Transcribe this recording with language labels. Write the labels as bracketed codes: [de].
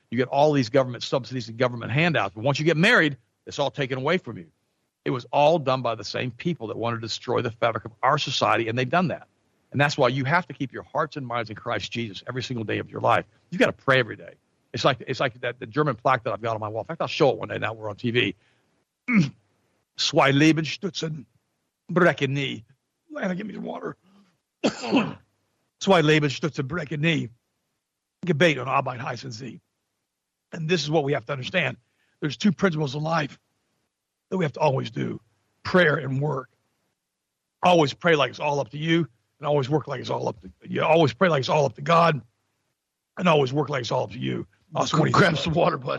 [en] You get all these government subsidies and government handouts. But once you get married, it's all taken away from you. It was all done by the same people that wanted to destroy the fabric of our society, and they've done that. And that's why you have to keep your hearts and minds in Christ Jesus every single day of your life. You've got to pray every day. It's like that the German plaque that I've got on my wall. In fact, I'll show it one day now we're on TV. [de] Zwei Leben stützen, brechen nie. Lana, [en] give me some water. [de] Zwei Leben stützen, brechen nie. Gebet und Arbeit heißen sie. [en] And this is what we have to understand. There's two principles in life that we have to always do. Prayer and work. Always pray like it's all up to you. and always work like it's all up to you. Always pray like it's all up to God, and always work like it's all up to you. Awesome. Grab some water, bud.